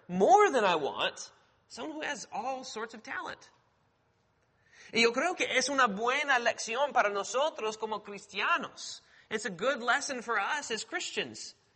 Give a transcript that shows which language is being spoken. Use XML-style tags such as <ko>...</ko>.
<en>More than I want, someone who has all sorts of talent.</en> <es>Y yo creo que es una buena lección para nosotros como cristianos.</es> <en>It's a good lesson for us as Christians.</en>